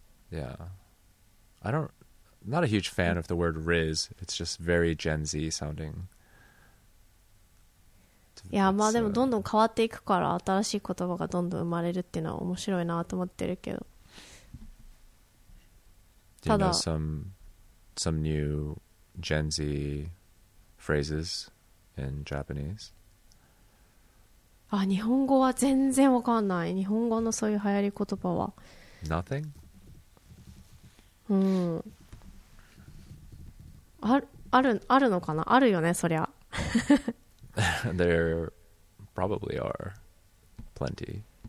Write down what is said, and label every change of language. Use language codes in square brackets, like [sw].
[en] Yeah. I don't not a huge fan of the word Riz. It's just very Gen Z sounding. [ja] Yeah, まあでもどんどん変わっていくから新しい言葉がどんどん生まれるっていうのは面白いなと思ってるけど。 [en] Do you know some new Gen Z phrases in Japanese? [ja] あ、日本語は全然わかんない。日本語のそういう流行り言葉は。 [en] Nothing? [ja] うん。あるのかな?あるよね、そりゃ。 [en] There probably are plenty.